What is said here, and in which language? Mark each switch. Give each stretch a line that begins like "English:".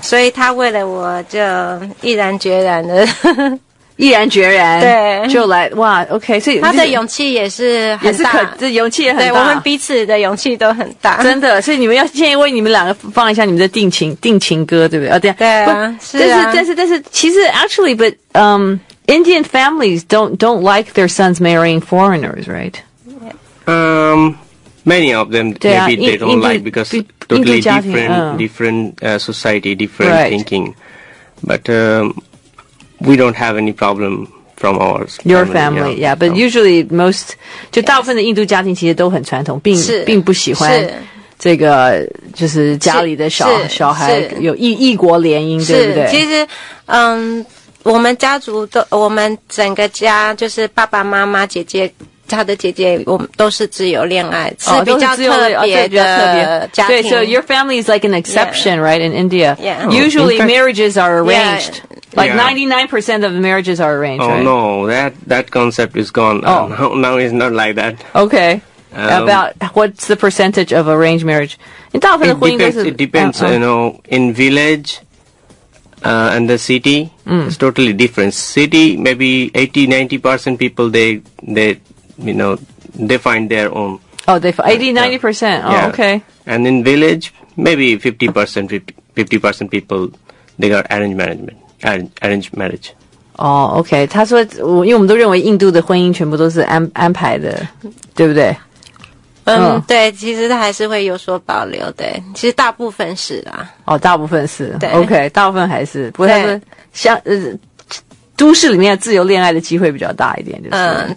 Chinese: 所以他为了我就毅然决然的。毅然决然，对，就来哇 ，OK， 所以他的勇气也是很大，也是可，这勇气也很大。对，我们彼此的勇气都很大，真的。所以你们要先为你们两个放一下你们的定情歌，对不对？啊，对啊，对啊，是啊。但是，其实
English: actually， but Indian families don't like their sons marrying foreigners， right？ Many of them、啊、 maybe they don't like because totally different、different society different、 right. thinking， but. We don't have any problem from ours. Your family, yeah. But usually most,
Chinese: 就大部分的印度家庭其实都很传统，并不喜欢这个就是家里的小孩有异国联姻，对不对？其实，我们家族都，我们整个家就是爸爸妈妈、姐姐。他的姐姐，我们都是自由恋爱，是比较特别的家庭。对
English: ，so your family is like an exception, yeah. right? In India, yeah. Usually marriages are arranged. Yeah. Like 99% of marriages are arranged. Oh、 right? no, that concept is gone. Oh, now it's not like that. Okay. About what's the percentage of arranged marriage? It depends. You know, in village, and the city,、it's totally different. City, maybe 80-90% people they. You know, they find their own. Oh, they find 80-90%. Yeah. Oh, okay. And in village, maybe 50% people, they got arranged marriage. Oh, okay.
Chinese: 他说，因为我们都认为印度的婚姻全部都是安排的，对不对？对，其实还是会有所保留的。其实大部分是啦。哦，大部分是。对。 Okay， 大部分还是。不过他说，像都市里面自由恋爱的机会比较大一点，就是。